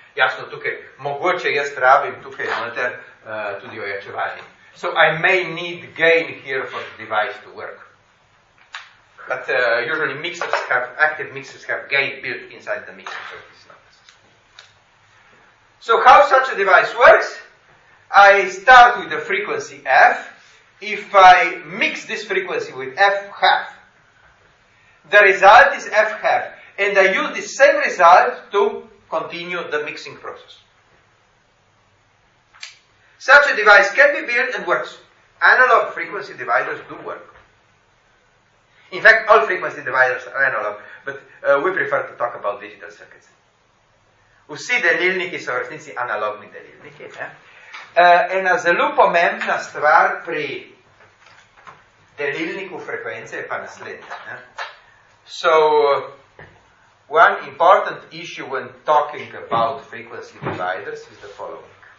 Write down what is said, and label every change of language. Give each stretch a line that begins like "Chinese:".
Slovenian: Jasno, tukaj, mogoče jaz rabim tukaj noter tudi ojačevalnik.
English: So I may need gain here for the device to work. But usually mixers have, active mixers have gain built inside the mixer, so it's not. So how such a device works? I start with the frequency F. If I mix this frequency with F half, the result is F half. And I use the same result to continue the mixing process. Such a device can be built and works. Analog frequency dividers do work. In fact, all frequency dividers are analog, but we prefer to talk about digital circuits.
Slovenian: Vsi delilniki so v resnici analogni delilniki. Ena zelo pomembna stvar pri delilniku frekvence je pa naslednja.
English: So, one important issue when talking about frequency dividers is the following.